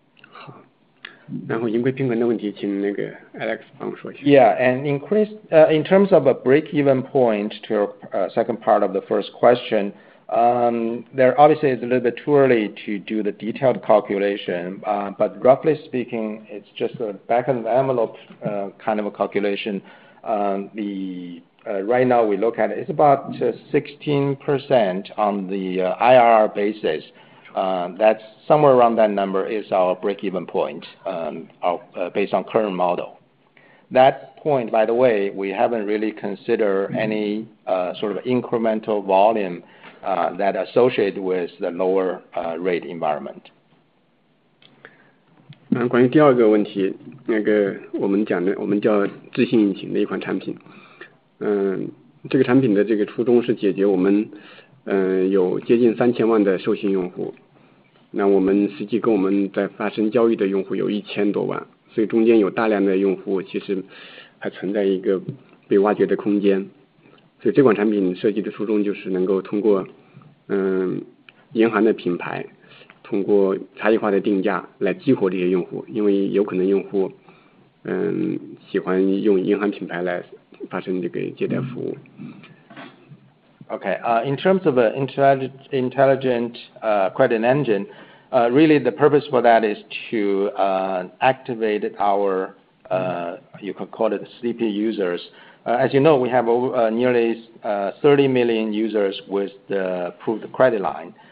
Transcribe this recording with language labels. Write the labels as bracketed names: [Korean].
[Chinese] 好，然后盈亏平衡的问题，请那个 Alex 帮我说一下。 [English] Yeah, and increase in terms of a break-even point to your second part of the first question. There obviously is a little bit too early to do the detailed calculation, but roughly speaking, it's just a back of the envelope kind of a calculation. Right now we look at it, it's about 16% on the IRR basis. That's somewhere around that number is our break-even point based on current model. That point, by the way, we haven't really considered any sort of incremental volume that associated with the lower rate environment. [Chinese] 关于第二个问题，那个我们叫自信引擎的一款产品。这个产品的这个初衷是解决我们有接近3000万的授信用户，那我们实际跟我们在发生交易的用户有1000多万，所以中间有大量的用户其实还存在一个被挖掘的空间。所以这款产品设计的初衷就是能够通过银行的品牌，通过差异化的定价来激活这些用户，因为有可能用户喜欢用银行品牌来发生这个借贷服务。 [English] Okay, in terms of an intelligent credit engine, really the purpose for that is to activate our you could call it sleepy users. As you know, we have nearly 30 million users with the approved credit line.